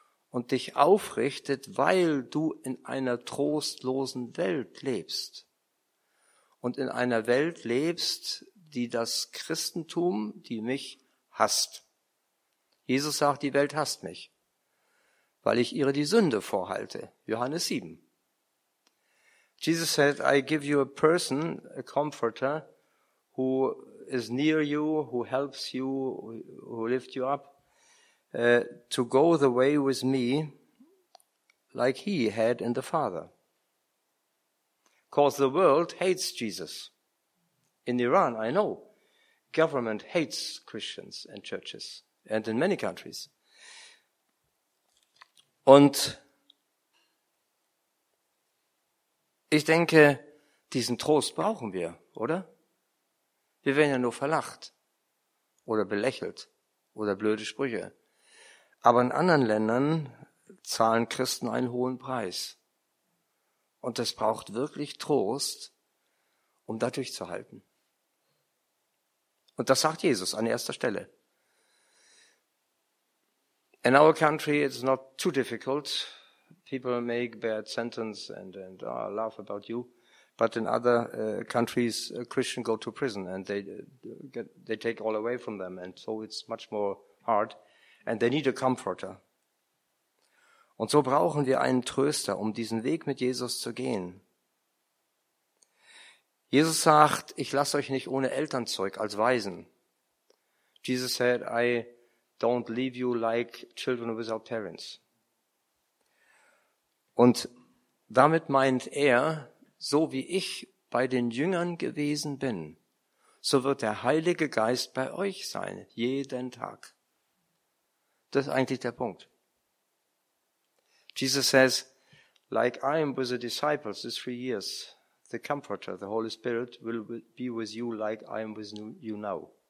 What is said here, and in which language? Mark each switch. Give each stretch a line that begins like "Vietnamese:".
German: Und dich aufrichtet, weil du in einer trostlosen Welt lebst. Und in einer Welt lebst, die das Christentum, die mich hasst. Jesus sagt, die Welt hasst mich, weil ich ihre die Sünde vorhalte. Johannes 7.
English: Jesus said, I give you a person, a comforter, who is near you, who helps you, who lifts you up. To go the way with me, like he had in the Father. Because the world hates Jesus. In Iran, I know, government hates Christians and churches, and in many countries.
German: Und ich denke, diesen Trost brauchen wir, oder? Wir werden ja nur verlacht, oder belächelt, oder blöde Sprüche. Aber in anderen Ländern zahlen Christen einen hohen Preis. Und es braucht wirklich Trost, um da durchzuhalten. Und das sagt Jesus an erster Stelle.
English: In our country it's not too difficult. People make bad sentence and laugh about you. But in other countries, Christians go to prison and they take all away from them. And so it's much more hard. And they need a comforter.
German: Und so brauchen wir einen Tröster, um diesen Weg mit Jesus zu gehen. Jesus sagt, ich lasse euch nicht ohne Eltern zurück, als Waisen.
English: Jesus said, I don't leave you like children without parents.
German: Und damit meint er, so wie ich bei den Jüngern gewesen bin, so wird der Heilige Geist bei euch sein, jeden Tag. Das ist eigentlich der Punkt.
English: Jesus says, like I am with the disciples these 3 years, the Comforter, the Holy Spirit, will be with you like I am with you now.